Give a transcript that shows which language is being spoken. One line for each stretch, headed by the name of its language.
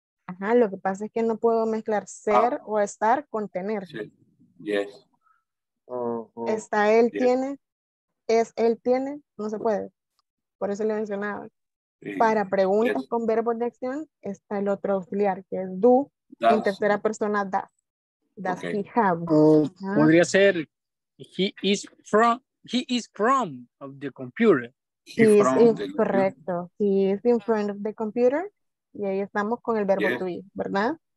Spanish: Ajá, lo que pasa es que no puedo mezclar ser o estar con tener. Sí,
English: yes. Uh-huh.
Spanish: Está él tiene, es él tiene, no se puede. Por eso le mencionaba. Sí. Para preguntas con verbos de acción está el otro auxiliar, que es do, y en tercera persona does.
English: Does he have.
Spanish: Podría ser
English: he is from of the computer.
Spanish: Correcto.
English: He is in front of the computer.
Spanish: Y ahí estamos con el verbo to be, ¿verdad?